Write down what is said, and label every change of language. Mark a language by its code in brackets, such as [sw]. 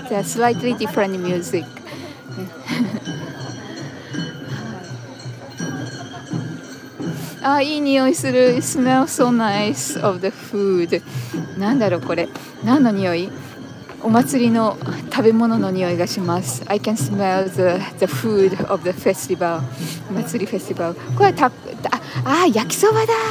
[en] They are slightly different music. [ja] あ、いい匂いする。 [en] It smells so nice of the food. [ja] なんだろうこれ。何の匂い？お祭りの食べ物の匂いがします。 [en] I can smell the food of the festival. [ja] 祭りフェスティバル。これはた、あ、あ、焼きそばだ。